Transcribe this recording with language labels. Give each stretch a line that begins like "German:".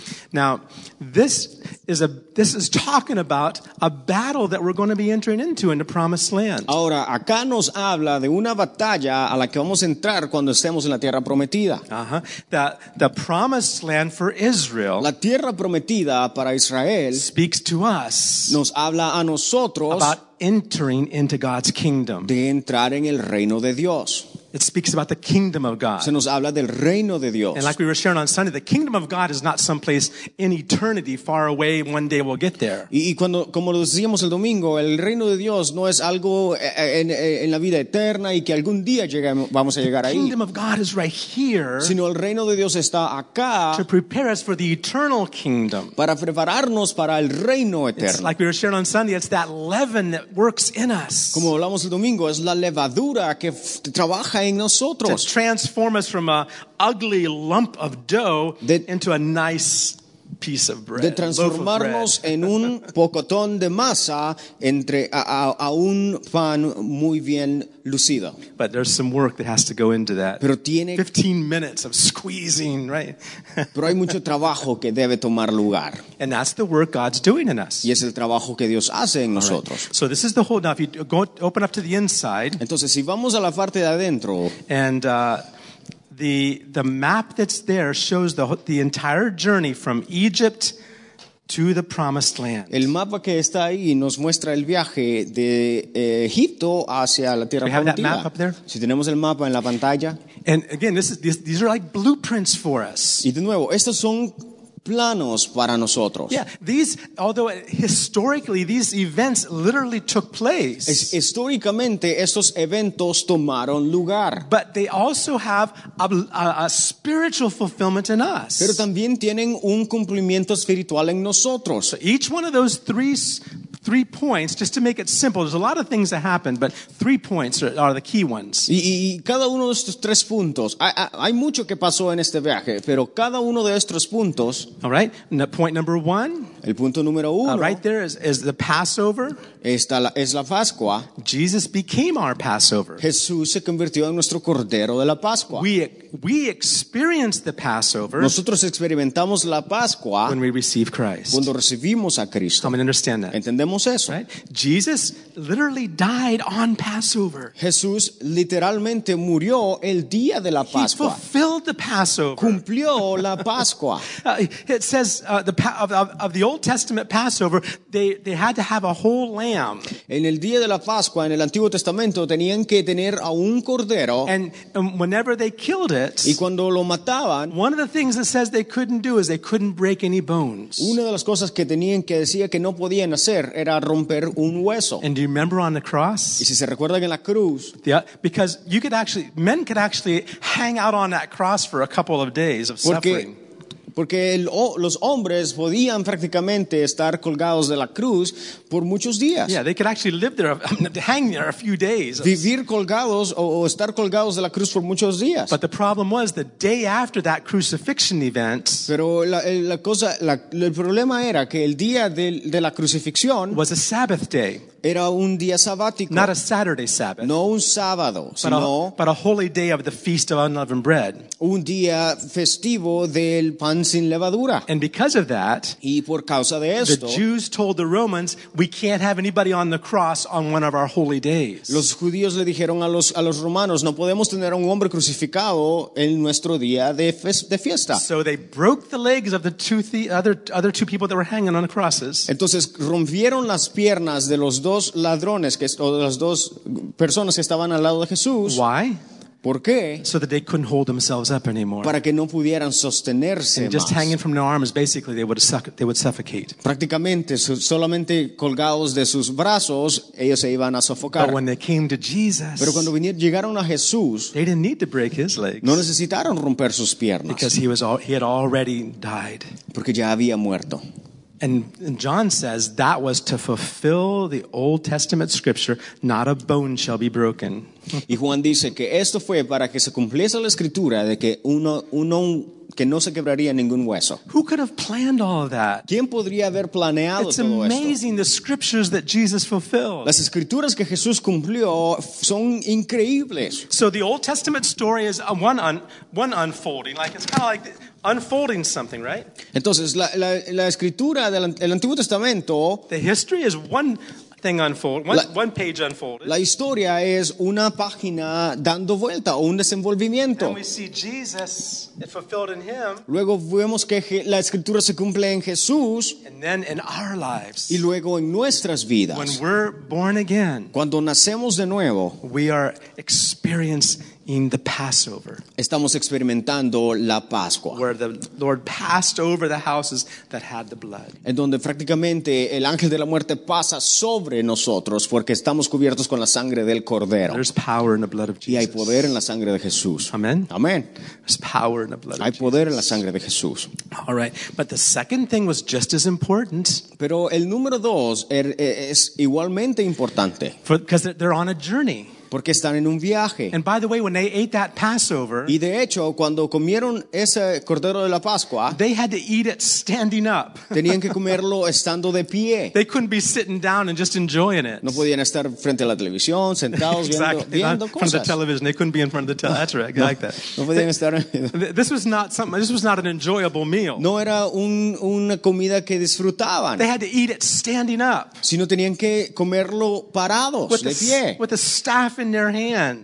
English: Now, this is talking about a battle that we're going to be entering into in the promised land.
Spanish: Ahora, acá nos habla de una batalla a la que vamos a entrar cuando estemos en la tierra prometida.
English: The promised land for Israel.
Spanish: La tierra prometida para Israel.
English: Speaks to us.
Spanish: Nos habla a nosotros.
English: About entering into God's kingdom.
Spanish: De entrar en el reino de Dios.
English: It speaks about the kingdom of God.
Spanish: Se nos habla del reino de Dios.
English: And like we were sharing on Sunday, the kingdom of God is not someplace in eternity far away, one day we'll get there.
Spanish: Y cuando, como lo decíamos el domingo, el reino de Dios no es algo en la vida eterna y que algún día vamos a llegar ahí.
English: The kingdom of God is right here.
Spanish: Sino el reino de Dios está acá.
English: To prepare us for the eternal kingdom.
Spanish: Para prepararnos para el reino eterno.
English: It's like we were sharing on Sunday, it's that leaven that works in us.
Spanish: Como hablamos el domingo, es la levadura que trabaja.
English: To transform us from an ugly lump of dough into a nice piece of bread.
Spanish: De transformarnos en un pocotón de masa entre a un pan muy bien lucido.
English: But there's some work that has to go into that.
Spanish: Pero tiene
English: 15 minutes of squeezing, right?
Spanish: Pero hay mucho trabajo que debe tomar lugar.
English: And that's the work God's doing in us.
Spanish: Y es el trabajo que Dios hace en nosotros.
English: Right. So this is the whole. Now, if you go open up to the inside.
Spanish: Entonces, si vamos a la parte de adentro.
English: And the map that's there shows the entire journey from Egypt to the promised land.
Spanish: El mapa que está ahí nos muestra el viaje de Egipto hacia la tierra prometida.
English: We have that map up there.
Spanish: Si tenemos el mapa en la pantalla.
English: And again, these are like blueprints for us.
Spanish: Y de nuevo, estos son planos para nosotros.
English: Yeah, although historically these events literally took place.
Spanish: Históricamente estos eventos tomaron lugar.
English: But they also have a spiritual fulfillment in us.
Spanish: Pero también tienen un cumplimiento espiritual en nosotros.
English: So each one of those three points, just to make it simple, there's a lot of things that happen, but three points are the key ones.
Spanish: Y cada uno de estos tres puntos, hay mucho que pasó en este viaje, pero cada uno de estos puntos.
English: All right, point number one.
Spanish: El punto número uno.
English: Right there is the Passover.
Spanish: Es la Pascua.
English: Jesus became our Passover.
Spanish: Jesús se convirtió en nuestro Cordero de la Pascua.
English: We experience the Passover.
Spanish: Nosotros experimentamos la Pascua.
English: When we receive Christ.
Spanish: Cuando recibimos a Cristo.
English: Come and understand that.
Spanish: Entendemos eso.
English: Right? Jesus literally died on Passover.
Spanish: Jesús literalmente murió el día de la Pascua.
English: He fulfilled the Passover.
Spanish: Cumplió la Pascua.
English: It says of the Old Testament Passover, they had to have a whole lamb.
Spanish: En el día de la Pascua, en el Antiguo Testamento, tenían que tener a un cordero.
English: And whenever they killed it,
Spanish: y cuando lo mataban,
English: one of the things that says they couldn't do is they couldn't break any bones.
Spanish: Una de las cosas que tenían que decía que no podían hacer era romper un hueso.
English: And do you remember on the cross?
Spanish: Y si se recuerdan en la cruz,
English: because you could actually, men could actually hang out on that cross for a couple of days of suffering.
Spanish: porque los hombres podían prácticamente estar colgados de la cruz por muchos días.
English: Yeah, they could actually live there, hang there a few days.
Spanish: Vivir colgados o estar colgados de la cruz por muchos días.
English: But the problem was the day after that crucifixion event.
Spanish: Pero el problema era que el día de la crucifixión
English: was a Sabbath day.
Spanish: Era un día sabático.
English: Not a Saturday Sabbath.
Spanish: No un sábado,
English: but a holy day of the Feast of Unleavened Bread.
Spanish: Un día festivo del pan sin levadura.
English: And because of that,
Spanish: y por causa de esto,
English: the Jews told the Romans, we can't have anybody on the cross on one of our holy days.
Spanish: Los judíos le dijeron a los romanos, no podemos tener a un hombre crucificado en nuestro día de fiesta.
English: So they broke the legs of the other two people that were hanging on the crosses.
Spanish: Entonces rompieron las piernas de los dos ladrones las dos personas que estaban al lado de Jesús.
English: Why?
Spanish: ¿Por qué?
English: So that they couldn't hold themselves up anymore.
Spanish: Para que no pudieran sostenerse.
English: And just
Spanish: más.
English: Hanging from their arms, basically they would suffocate.
Spanish: Prácticamente, solamente colgados de sus brazos, ellos se iban a sofocar.
English: But when they came to Jesus,
Spanish: pero cuando llegaron a Jesús,
English: they didn't need to break his legs.
Spanish: No necesitaron romper sus piernas.
English: Because he had already died.
Spanish: Porque ya había muerto.
English: And John says that was to fulfill the Old Testament scripture, not a bone shall be broken.
Spanish: Y Juan dice que esto fue para que se cumpliese la escritura de que uno que no se quebraría ningún hueso.
English: Who could have planned all of that?
Spanish: ¿Quién podría haber planeado
English: It's
Spanish: todo esto?
English: It's amazing the scriptures that Jesus fulfilled.
Spanish: Las escrituras que Jesús cumplió son increíbles.
English: So the Old Testament story is one unfolding, like it's kind of like unfolding something, right?
Spanish: Entonces la escritura del Antiguo Testamento.
English: The history is one thing unfold, one page unfolded.
Spanish: La historia es una página dando vuelta o un desenvolvimiento.
English: And we see Jesus it fulfilled in him.
Spanish: Luego vemos que la escritura se cumple en Jesús.
English: And then in our lives.
Spanish: Y luego en nuestras vidas.
English: When we're born again.
Spanish: Cuando nacemos de nuevo.
English: We are experiencing in the Passover.
Spanish: Estamos experimentando la Pascua.
English: Where the Lord passed over the houses that had the blood.
Spanish: En donde prácticamente el ángel de la muerte pasa sobre nosotros porque estamos cubiertos con la sangre del cordero.
English: There's power in the blood of Jesus.
Spanish: Y hay poder en la sangre de Jesús.
English: Amen.
Spanish: Amen.
English: There's power in the blood of Jesus.
Spanish: Hay poder en la sangre de Jesús.
English: All right. But the second thing was just as important.
Spanish: Pero el número dos es igualmente importante.
English: Because they're on a journey.
Spanish: Porque están en un viaje.
English: And by the way, when they ate that Passover,
Spanish: y de hecho, cuando comieron ese cordero de la Pascua,
English: they had to eat it standing up.
Spanish: Tenían que comerlo estando de pie.
English: They couldn't be sitting down and just enjoying it.
Spanish: No podían estar frente a la televisión, sentados
English: exactly.
Spanish: viendo cosas.
English: In front of the television, they couldn't be in front of the television. That's right.
Spanish: No podían estar.
English: This was not an enjoyable meal.
Spanish: No era una comida que disfrutaban.
English: They had to eat it standing up.
Spanish: Sino tenían que comerlo parados, de pie.
English: With a staff. In their hands.